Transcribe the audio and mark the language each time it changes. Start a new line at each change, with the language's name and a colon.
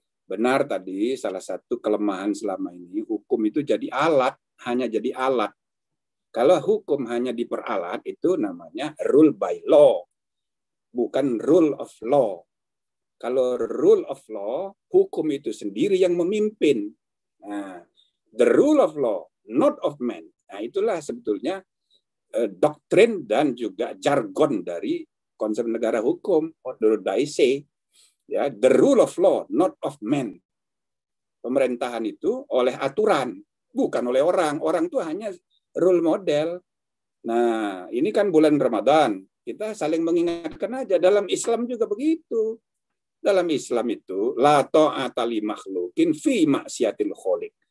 Indonesian: Benar tadi salah satu kelemahan selama ini hukum itu jadi alat, hanya jadi alat. Kalau hukum hanya diperalat itu namanya rule by law, bukan rule of law. Kalau rule of law, hukum itu sendiri yang memimpin.
English: Nah, the rule of law, not of man.
Indonesian: Nah, itulah sebetulnya doktrin dan juga jargon dari konsep negara hukum, ordo daise.
English: Ya, the rule of law, not of man.
Indonesian: Pemerintahan itu oleh aturan, bukan oleh orang. Orang itu hanya rule model. Nah, ini kan bulan Ramadan. Kita saling mengingatkan aja. Dalam Islam juga begitu. Dalam Islam itu,
Arabic: la ta'ata li makhlukin fi maksiatil kholik.